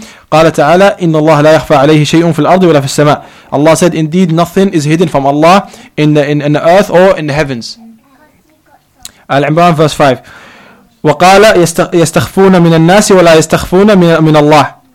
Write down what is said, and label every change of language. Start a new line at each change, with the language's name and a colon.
Arabic: قال تعالى إن الله لا يخفى عليه شيء في الأرض ولا في السماء.
English: Allah said, indeed, nothing is hidden from Allah in the earth or in the heavens. Al-Imran verse 5.
Arabic: وقال يستخفون من الناس ولا يستخفون من الله.